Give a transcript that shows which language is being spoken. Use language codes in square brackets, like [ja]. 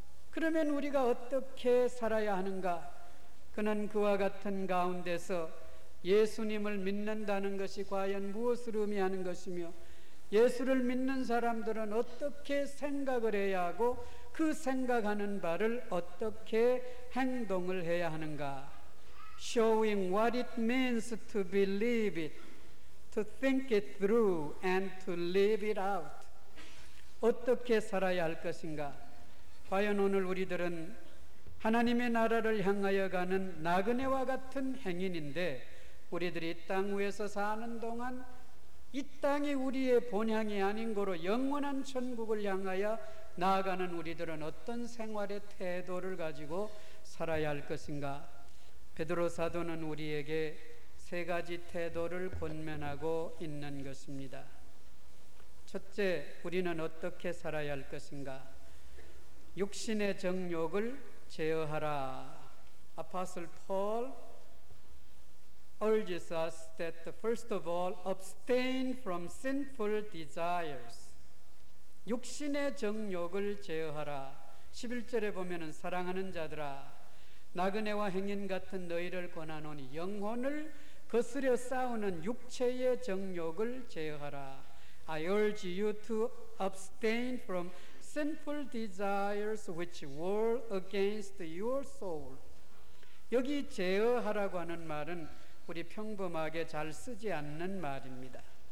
[ko] 그러면 우리가 어떻게 살아야 하는가? 그는 그와 같은 가운데서 예수님을 믿는다는 것이 과연 무엇을 의미하는 것이며 예수를 믿는 사람들은 어떻게 생각을 해야 하고 그 생각하는 바를 어떻게 행동을 해야 하는가? [en] Showing what it means to believe it, to think it through, and to live it out. [ko] 어떻게 살아야 할 것인가? 과연 오늘 우리들은 하나님의 나라를 향하여 가는 나그네와 같은 행인인데 우리들이 땅 위에서 사는 동안 이 땅이 우리의 본향이 아닌 거로 영원한 천국을 향하여 나아가는 우리들은 어떤 생활의 태도를 가지고 살아야 할 것인가? 베드로 사도는 우리에게 세 가지 태도를 권면하고 있는 것입니다. 첫째, 우리는 어떻게 살아야 할 것인가? 육신의 정욕을 제어하라. [en] Apostle Paul urges us that first of all, abstain from sinful desires. [ko] 육신의 정욕을 제어하라. 11절에 보면은 사랑하는 자들아, 나그네와 행인 같은 너희를 권하노니 영혼을 거스려 싸우는 육체의 정욕을 제어하라. [en] I urge you to abstain from sinful desires which war against your soul. [ko] 여기 제어하라고 하는 말은 우리 평범하게 잘 쓰지 않는 말입니다.